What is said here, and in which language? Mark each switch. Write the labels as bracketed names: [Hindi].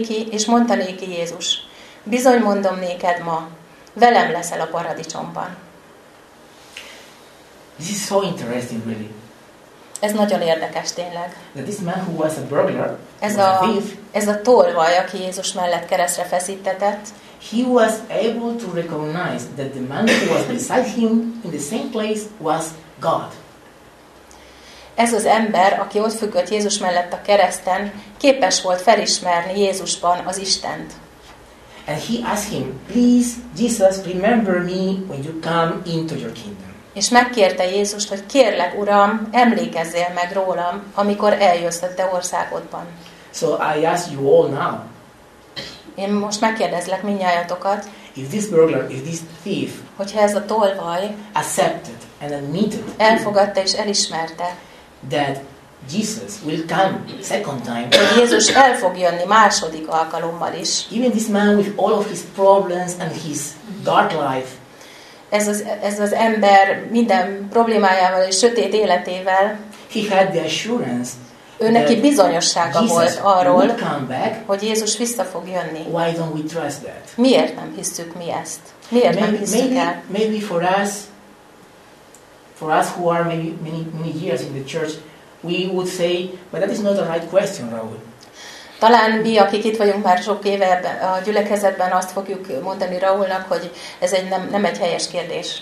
[Hungarian] És mondta néki Jézus: bizony mondom néked ma, velem leszel a paradicsomban. [English] This is so interesting, really. [Hungarian] Ez nagyon érdekes tényleg. [English] That this man who was a burglar, [Hungarian] ez a tolvaj, aki Jézus mellett keresztre feszítetett, [English] he was able to recognize that the man who was beside him in the same place was God. [Hungarian] Ez az ember, aki ott függött Jézus mellett a kereszten, képes volt felismerni Jézusban az Istent. [English] And he asked him, please, Jesus, remember me when you come into your kingdom. [Hungarian] És megkérte Jézust, hogy kérlek, Uram, emlékezzél meg rólam, amikor eljössz a te országodban. [English] So I ask you all now. [Hungarian] Én most megkérdezlek mindnyájatokat. [English] If this burglar, if this thief, [Hungarian] hogyha ez a tolvaj [English] accepted and admitted, [Hungarian] elfogadta és elismerte, [English] that Jesus will come second time, [Hungarian] hogy Jézus el fog jönni második alkalommal is. [English] Even this man with all of his problems and his dark life. [Hungarian] Ez az ember minden problémájával és sötét életével. [English] He had the assurance. [Hungarian] Ő neki bizonyossága volt arról, [English] back, [Hungarian] hogy Jézus vissza fog jönni. [English] Why don't we trust that? [Hungarian] Miért nem hisszük mi ezt? Miért [English] maybe, [Hungarian] nem hisszük [English] maybe, [Hungarian] el? [English] Maybe for us who are maybe many years in the church, we would say, but that is not the right question, Raúl. [Hungarian] Talán mi, akik itt vagyunk már sok éve a gyülekezetben, azt fogjuk mondani Raúlnak, hogy ez egy nem egy helyes kérdés.